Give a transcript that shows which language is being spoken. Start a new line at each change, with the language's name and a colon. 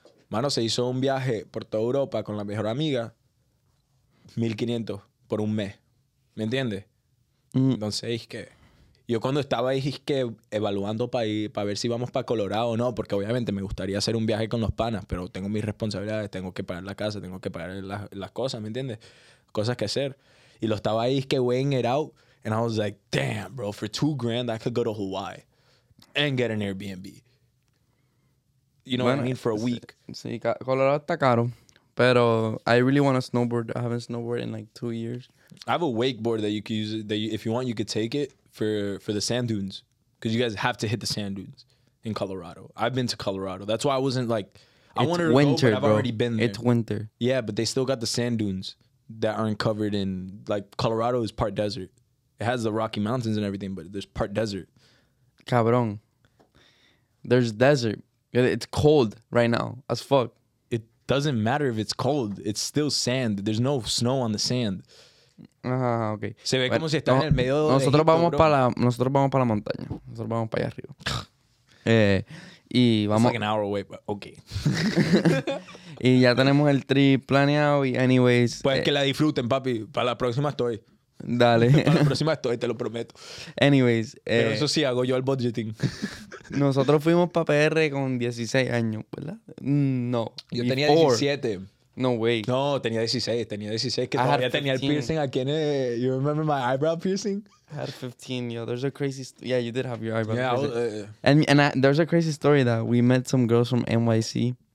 Spanish: Mano, se hizo un viaje por toda Europa con la mejor amiga. 1,500 por un mes. ¿Me entiendes? Entonces, es que... Yo cuando estaba ahí, es que evaluando para ver si vamos para Colorado o no, porque obviamente me gustaría hacer un viaje con los panas, pero tengo mis responsabilidades, tengo que pagar la casa, tengo que pagar las cosas, ¿me entiendes? Cosas que hacer. Y lo estaba ahí, es que
English: weighing it out, and I was like, damn, bro, for $2,000 I could go to Hawaii and get an Airbnb. You know bueno, what I mean? For a week.
Spanish: Sí, Colorado está caro, pero
English: I really want to snowboard. I haven't snowboarded in like 2 years. I have a wakeboard that you could use, that you, if you want, you could take it. For the sand dunes, because you guys have to hit the sand dunes in Colorado. I've been to Colorado. That's why I wasn't like, I wanted to go, but I've already been there. It's winter. Yeah, but they still got the sand dunes that aren't covered in, like, Colorado is part desert. It has the Rocky Mountains and everything, but there's part desert. Cabrón. There's desert. It's cold right now as fuck. It doesn't matter if it's cold. It's still sand. There's no snow on the sand. Ajá, okay.
Spanish: Se ve, bueno, como si estás no, en el medio de nosotros Egipto, vamos para la, nosotros vamos para la montaña, nosotros vamos para allá arriba. Y vamos,
English: like an hour away, but okay.
Spanish: Y ya tenemos el trip planeado y anyways, pues que la disfruten, papi, para la próxima estoy. Dale. Para la próxima estoy, te lo prometo.
English: Anyways,
Spanish: pero eso sí hago yo el budgeting. Nosotros fuimos para PR con 16 años, ¿verdad? No, yo tenía 17.
English: No way.
Spanish: No, tenía 16. Tenía 16. Que I todavía tenía el piercing. Aquí en el,
English: you remember my eyebrow piercing? I had 15, yo. There's a crazy story. Yeah, you did have your eyebrow piercing. Yeah, and I, there's a crazy story that we met some girls from NYC.